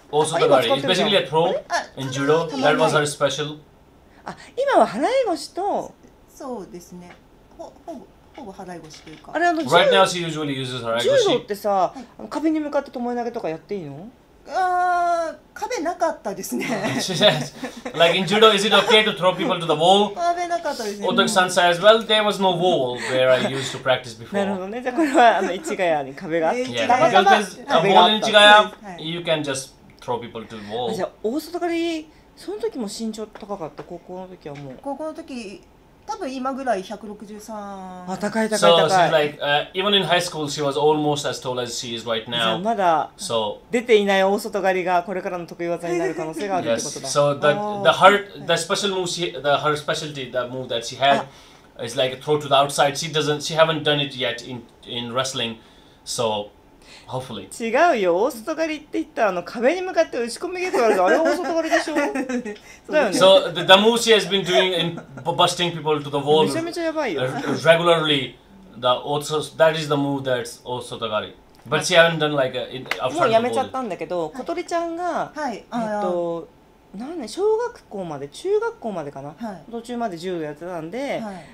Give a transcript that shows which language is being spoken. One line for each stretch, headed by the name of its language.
Japanese: 大外刈り、
English: it's basically a pro in judo, that was very special。
Japanese: あ、今は払い腰と、そうですね、ほぼ払い腰というか、あれ、あの
English: right now she usually uses 払い腰。
Japanese: 柔道ってさ、はい、壁に向かって巴投げとかやっていいの？あー、壁なかったですね。
English: She says, like in judo, is it okay to throw people to the wall?
Japanese: 壁なかったですね。
English: Otaki-san says, well, there was no wall where I used to practice before.
Japanese: なるほどね。じゃあこれはあの市ヶ谷に壁があった。
English: Yeah, because there's a wall in 市ヶ谷、you can just throw people to the wall.
Japanese: じゃあ大外刈り、その時も身長高かった？高校の時はもう。高校の時、多分今ぐらい163。あ、高い高い高い。So
English: she's like, even in high school, she was almost as tall as she is right now.
Japanese: じゃあまだ、
English: so.
Japanese: 出ていない大外刈りがこれからの得意技になる可能性があるってことだ。
English: Yes. So the special move, her specialty, the move that she had is like a throw to the outside. She haven't done it yet in wrestling. So hopefully.
Japanese: 違うよ、大外刈りって言ったら、あの壁に向かって打ち込み蹴ってあるぞ、あれ大外刈りでしょ。そうだよね。
English: So the move she has been doing in busting people to the wall.
Japanese: めちゃめちゃやばいよ。
English: Regularly, that is the move that's 大外刈り。 But she haven't done like a
Japanese: もうやめちゃったんだけど、小鳥ちゃんが、はい、なんね、小学校まで、中学校までかな、はい、途中まで柔道やってたんで、はい、